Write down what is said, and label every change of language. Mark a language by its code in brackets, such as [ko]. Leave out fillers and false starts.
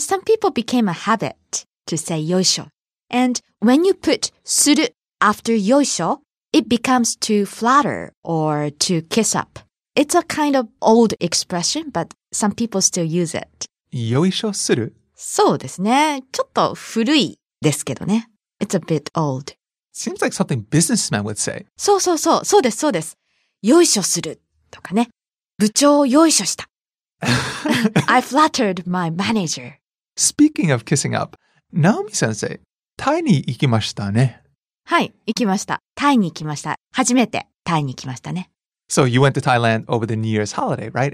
[en] Some people became a habit to say yoisho. And when you put suru after yoisho,It becomes to flatter or to kiss up. It's a kind of old expression, but some people still use it. Yoisho suru? [ja] そうですね。ちょっと古いですけどね。 [en] It's a bit old. Seems like something businessman would say. [ja] そうそうそう。そうです、そうです。よいしょするとかね。部長をよいしょした。 I flattered my manager. [en] Speaking of kissing up, Naomi 先生、タイに行きましたね。 [ja] はい、行きました。タイに行きました。初めてタイに行きましたね。 [en] So you went to Thailand over the New Year's holiday, right?